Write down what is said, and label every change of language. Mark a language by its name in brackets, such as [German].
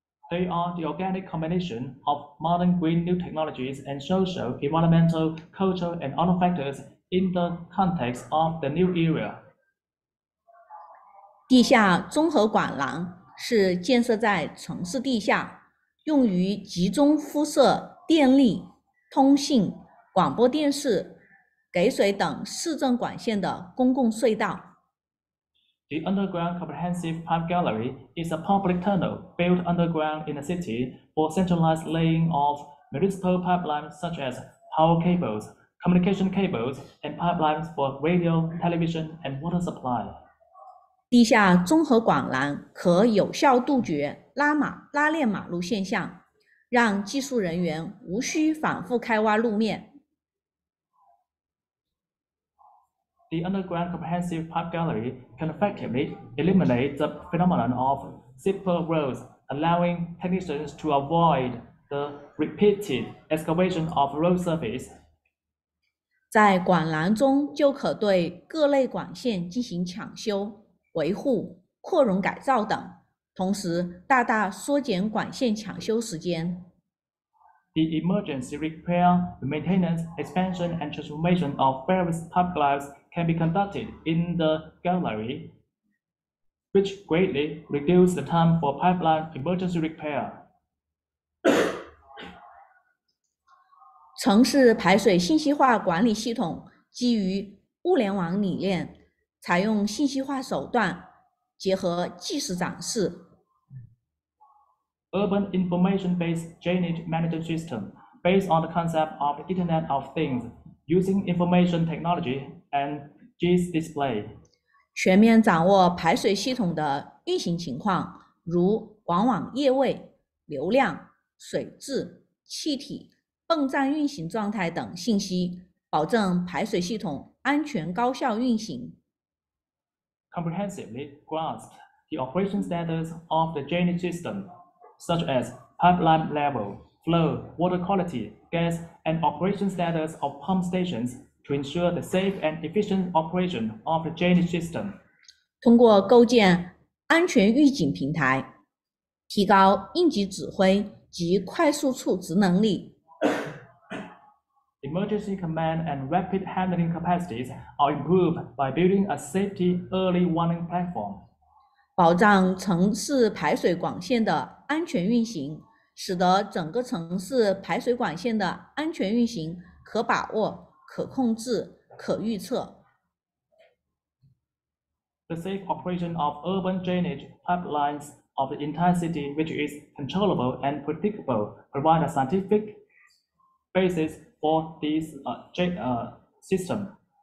[English] They are the organic combination of modern green new technologies and social, environmental, cultural and other factors in the context of the new era. [Chinese] 地下综合管廊是建设在城市地下，用于集中辐射电力、通信、广播电视、给水等市政管线的公共隧道。 [English] The underground comprehensive pipe gallery is a public tunnel built underground in the city for centralized laying of municipal pipelines such as power cables, communication cables, and pipelines for radio, television, and water supply. [Chinese] 地下综合管廊可有效杜绝拉链马路现象。让技术人员无需反复开挖路面。 [English] the underground comprehensive pipe gallery can effectively eliminate the phenomenon of zipper roads, allowing technicians to avoid the repeated excavation of road surface. [Chinese] 在管廊中就可对各类管线进行抢修、维护、扩容改造等，同时大大缩减管线抢修时间。 [English] The emergency repair, the maintenance, expansion, and transformation of various pipe lines can be conducted in the gallery, which greatly reduces the time for pipeline emergency repair. [Chinese] 城市排水信息化管理系统基于物联网理念，采用信息化手段，结合即时展示。 [English] Urban information-based drainage management system, based on the concept of the Internet of Things, using information technology and GIS display. [Chinese] 全面掌握排水系统的运行情况，如管网液位、流量、水质、气体、泵站运行状态等信息，保证排水系统安全高效运行。 [English] Comprehensively grasp the operation status of the drainage system. Such as pipeline level, flow, water quality, gas, and operation status of pump stations to ensure the safe and efficient operation of the drainage system. [Chinese] 通过构建安全预警平台，提高应急指挥及快速处置能力。 [English] Emergency command and rapid handling capacities are improved by building a safety early warning platform. [Chinese] 保障城市排水管线的安全运行，使得整个城市排水管线的安全运行可把握、可控制、可预测。 [English] The safe operation of urban drainage pipelines of the entire city, which is controllable and predictable, provide a scientific basis for this system.